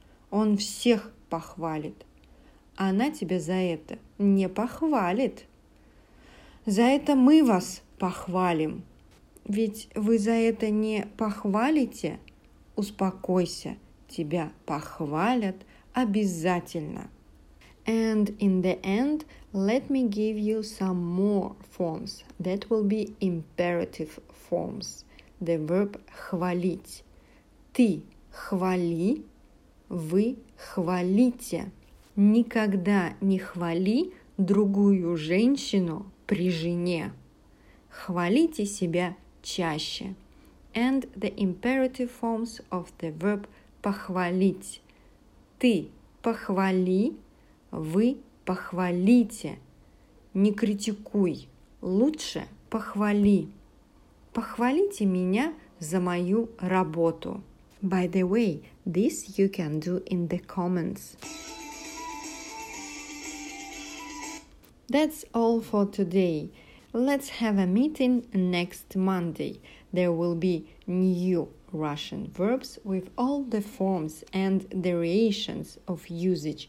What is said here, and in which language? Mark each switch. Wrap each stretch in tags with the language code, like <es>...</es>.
<ru>Он всех похвалит. Она тебя за это не похвалит. За это мы вас похвалим. Ведь вы за это не похвалите? Успокойся, тебя похвалят обязательно.</ru> <en>And in the end, let me give you some more forms. That will be imperative forms. The verb хвалить.</en> <ru>Ты хвали, вы хвалите. Никогда не хвали другую женщину при жене. Хвалите себя чаще.</ru> <en>And the imperative forms of the verb похвалить.</en> <ru>Ты похвали, вы похвалите. Не критикуй, лучше похвали. Похвалите меня за мою работу.</ru> <en>By the way, this you can do in the comments. That's all for today. Let's have a meeting next Monday. There will be new Russian verbs with all the forms and variations of usage.</en>